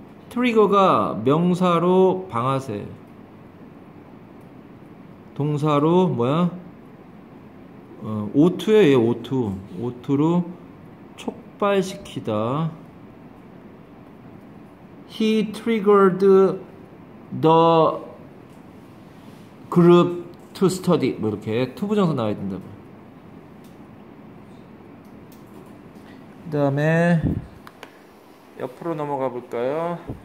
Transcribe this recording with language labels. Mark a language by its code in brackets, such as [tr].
[ko] 트리거가 명사로 방아쇠, 동사로 뭐야? 오투에 얘 오투, 오투로 촉발시키다. [en] He triggered the group to study. [ko] 뭐 이렇게 to 부정사 나와야 된다고. 그다음에 옆으로 넘어가 볼까요?